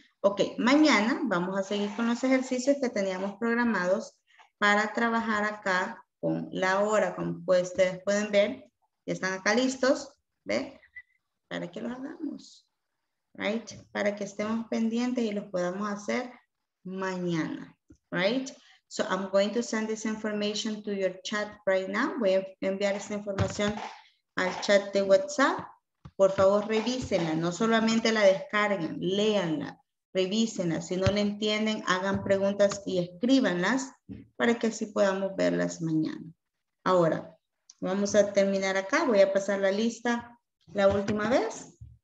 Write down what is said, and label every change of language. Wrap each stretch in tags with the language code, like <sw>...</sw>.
<es>Ok, mañana vamos a seguir con los ejercicios que teníamos programados para trabajar acá con la hora, como ustedes pueden ver. Ya están acá listos, ¿ve? Para que los hagamos. Right? Para que estemos pendientes y los podamos hacer mañana.</es> <en>Right? So I'm going to send this information to your chat right now.</en> <es>Voy a enviar esta información al chat de WhatsApp. Por favor, revísenla, no solamente la descarguen, léanla, revísenla. Si no la entienden, hagan preguntas y escríbanlas para que así podamos verlas mañana. Ahora, vamos a terminar acá. Voy a pasar la lista la última vez.</es>